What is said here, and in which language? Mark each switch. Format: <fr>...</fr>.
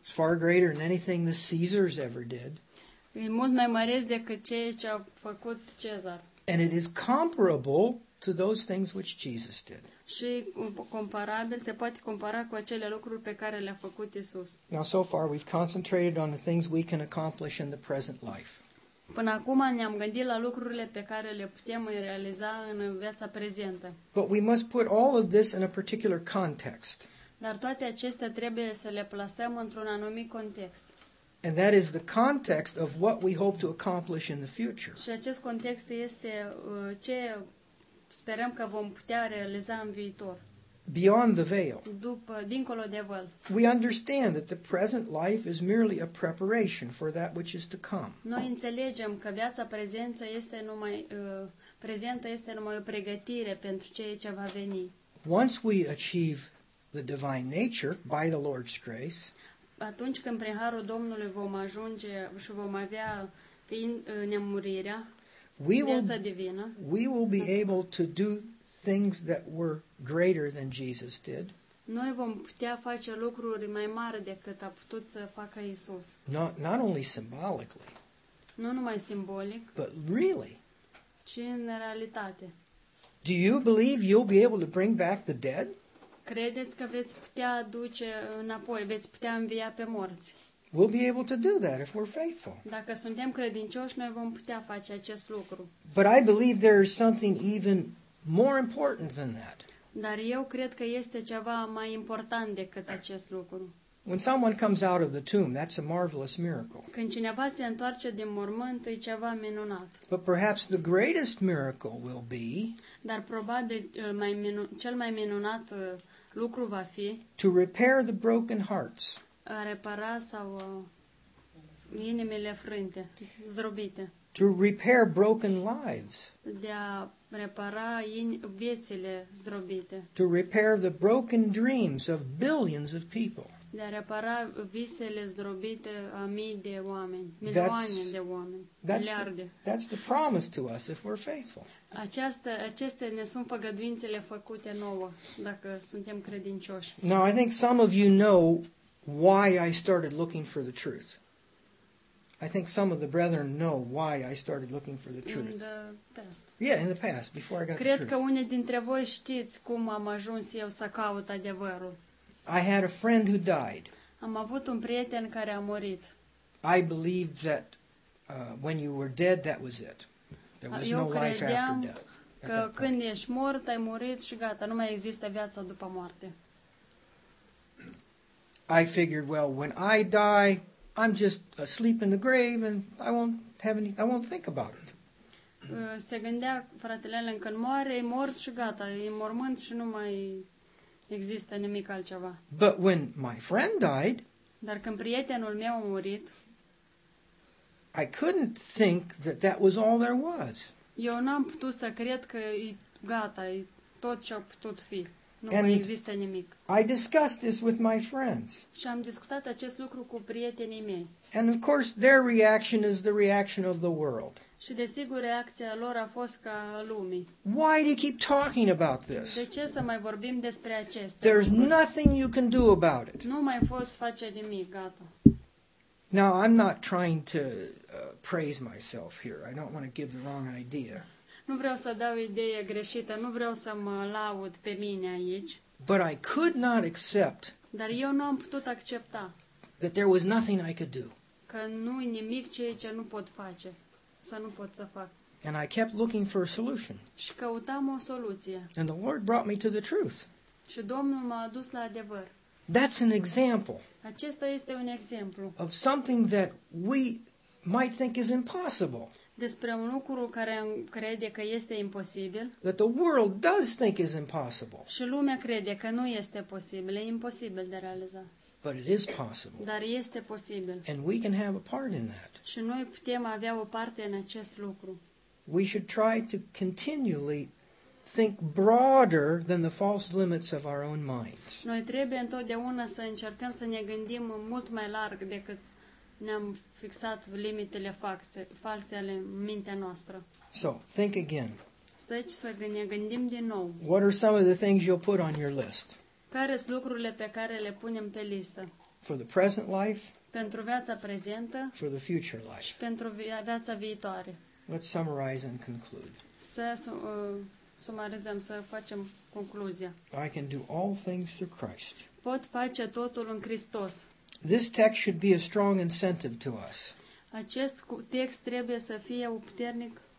<en>It's far greater than anything the Caesars ever did.</en> <ro>E mult mai măreț decât ceea ce a făcut Cezar.</ro> <en>And it is comparable to those things which Jesus did.</en> <ro>Și comparabil, se poate compara cu acele lucruri pe care le-a făcut Iisus.</ro> <en>Now so far we've concentrated on the things we can accomplish in the present life.</en> <ro>Până acum ne-am gândit la lucrurile pe care le putem realiza în viața prezentă.</ro> <en>But we must put all of this in a particular context.</en> <ro>Dar toate acestea trebuie să le plasăm într-un anumit context.</ro> <en>And that is the context of what we hope to accomplish in the future.</en> <ro>Și acest context este ce sperăm că vom putea realiza în viitor.</ro> <en>Beyond the veil.</en> <ro>După, dincolo de vâl.</ro> <en>We understand that the present life is merely a preparation for that which is to come.</en> <ro>Noi înțelegem că viața prezentă este numai prezentă este numai o pregătire pentru ceea ce va veni.</ro> <en>Once we achieve the divine nature by the Lord's grace,</en> <ro>atunci când prin harul Domnului vom ajunge și vom avea nemurirea, viața divină,</ro> <en>we will be able to do things that were greater than Jesus did.</en> <ro>Noi vom putea face lucruri mai mari decât a putut să facă Isus.</ro> <en>Not only symbolically.</en> <ro>Nu numai simbolic.</ro> <en>But really.</en> <ro>Ci în realitate.</ro> <en>Do you believe you'll be able to bring back the dead?</en> <ro>Credeți că veți putea aduce înapoi, veți putea învia pe morți?</ro> <en>We'll be able to do that if we're faithful.</en> <ro>Dacă suntem credincioși, noi vom putea face acest lucru.</ro> <en>But I believe there is something even more important than that.</en> <ro>Dar eu cred că este ceva mai important decât acest lucru.</ro> <en>When someone comes out of the tomb, that's a marvelous miracle.</en> <ro>Când cineva se întoarce din mormânt, e ceva minunat.</ro> <en>But perhaps the greatest miracle will be.</en> <ro>Dar probabil cel mai minunat lucru va fi.</ro> <en>To repair the broken hearts.</en> <ro>A repara sau inimile frânte, zdrobite.</ro> <en>To repair broken lives.</en> <ro>De a repara viețile zdrobite.</ro> <en>To repair the broken dreams of billions of people.</en> <ro>De a repara visele zdrobite a mii de oameni, milioane de oameni, miliarde.</ro> <en>That's the promise to us if we're faithful.</en> <ro>Acestea ne sunt făgăduințele făcute nouă, dacă suntem credincioși.</ro> <en>Now, I think some of you know why I started looking for the truth. I think some of the brethren know why I started looking for the truth. In the past. Yeah, in the past, before I got</en> <ro>cred</ro> <en>the truth.</en> <ro>Cred că unii dintre voi știți cum am ajuns eu să caut adevărul.</ro> <en>I had a friend who died.</en> <ro>Am avut un prieten care a murit.</ro> <en>I believed that when you were dead, that was it. There was no life after death.</en> <ro>Eu credeam că când ești mort, ai murit și gata, nu mai există viața după moarte.</ro> <en>I figured, well, when I die, I'm just asleep in the grave and I won't think about it.</en> <ro>Se gândea fratele Alan, când moare, e mort și gata, e în mormânt și nu mai există nimic altceva.</ro> <en>But when my friend died,</en> <ro>dar când prietenul meu a murit,</ro> <en>I couldn't think that that was all there was.</en> <ro>Eu n-am putut să cred că e gata, e tot ce a putut fi. Nu mai există nimic.</ro> <en>I discussed this with my friends.</en> <ro>Și am discutat acest lucru cu prietenii mei.</ro> <en>And of course their reaction is the reaction of the world.</en> <ro>Și desigur reacția lor a fost ca lumii.</ro> <en>Why do you keep talking about this?</en> <ro>De ce să mai vorbim despre acest?</ro> <en>There's nothing you can do about it.</en> <ro>Nu mai poți face nimic, gata.</ro> <en>Now I'm not trying to praise myself here. I don't want to give the wrong idea.</en> <ro>Nu vreau să dau idee greșită, nu vreau să mă laud pe mine aici.</ro> <en>But I could not accept.</en> <ro>Dar eu nu am putut accepta.</ro> <en>That there was nothing I could do.</en> <ro>Că nu e nimic ceea ce nu pot face. Să nu pot să fac.</ro> <en>And I kept looking for a solution.</en> <ro>Și căutam o soluție.</ro> <en>And the Lord brought me to the truth.</en> <ro>Și Domnul m-a adus la adevăr.</ro> <en>That's an example.</en> <ro>Acesta este un exemplu.</ro> <en>Of something that we might think is impossible.</en> <ro>Despre un lucru care crede că este imposibil.</ro> <en>That the world does think is impossible.</en> <ro>Și lumea crede că nu este posibil, e imposibil de realizat.</ro> <en>But it is possible.</en> <ro>Dar este posibil.</ro> <en>And we can have a part in that.</en> <ro>Și noi putem avea o parte în acest lucru.</ro> <en>We should try to continually think broader than the false limits of our own minds.</en> <ro>Noi trebuie întotdeauna să încercăm să ne gândim mult mai larg decât ne-am fixat limitele false ale mintea noastră.</ro> <en>So, think again.</en> <ro>Stai să ne gândim din nou.</ro> <en>What are some of the things you'll put on your list?</en> <ro>Care sunt lucrurile pe care le punem pe listă?</ro> <en>For the present life.</en> <ro>Pentru viața prezentă.</ro> <en>For the future life.</en> <ro>Și pentru viața viitoare.</ro> <en>Let's summarize and conclude.</en> <ro>Să sumarizăm, să facem concluzia.</ro> <en>I can do all things through Christ.</en> <ro>Pot face totul în Hristos.</ro> <en>This text should be a strong incentive to us.</en> <ro>Acest text trebuie să fie un puternic</ro>